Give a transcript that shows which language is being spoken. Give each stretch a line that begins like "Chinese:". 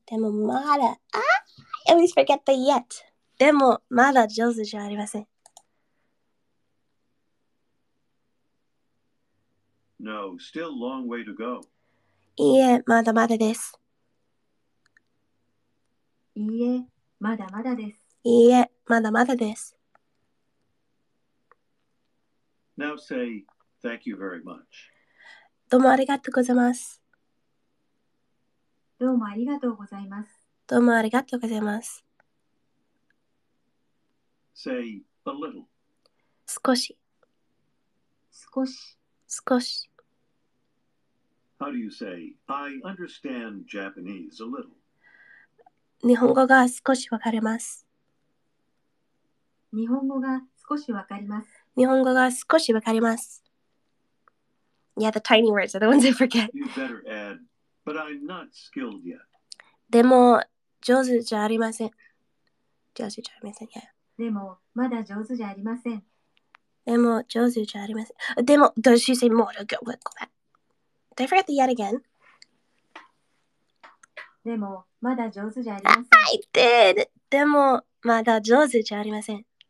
Japanese: でも、まだ、
English: I always forget the yet.
Japanese: でも、まだ上手じゃありません。
English: No, still long way to go.
Japanese: いいえ、まだまだです。いいえ、まだまだです。いいえ、まだまだです。
English: Now say, thank you very much.
Japanese: どうもありがとうございます。どうもありがとうございます。どうもありがとうございます。
English: Say a little.
Japanese: 少し。少し。少し。
English: How do you say, I understand Japanese a little?
Japanese: 日本語が少しわかります。日本語が少しわかります。日本語が少しわかります。
English: Yeah, the tiny words are the ones I forget. You better add... But I'm not skilled yet.
Japanese: でも上手じゃありません。上手じゃありません。Yeah. でもまだ上手じゃありません。でも上手じゃありません。でも、
English: does she say more? Go back. Did I forget the yet again?
Japanese: でもまだ上手じゃありません。
English: I did!
Japanese: でもまだ上手じゃありません。